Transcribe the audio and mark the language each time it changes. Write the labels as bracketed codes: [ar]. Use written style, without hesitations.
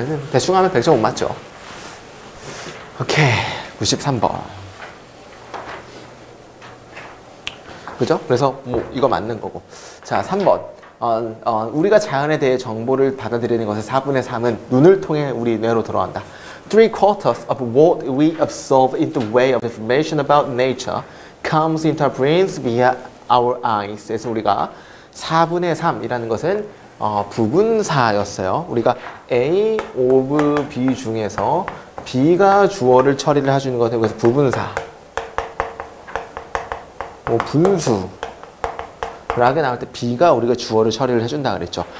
[ko] 대충 하면 100점 못 맞죠. 오케이. 93번. 그죠? 그래서 뭐 이거 맞는 거고. 자, 3번. 우리가 자연에 대해 정보를 받아들이는 것의 4분의 3은 눈을 통해 우리 뇌로 들어간다. [en] 3/4 of what we absorb in the way of information about nature comes into our brains via our eyes. [ko] 그래서 우리가 4분의 3이라는 것은 부분사였어요. 우리가 A of B 중에서 B가 주어를 처리를 해주는 것에 대해서 부분사. 분수. 라게 나올 때 B가 우리가 주어를 처리를 해준다 그랬죠.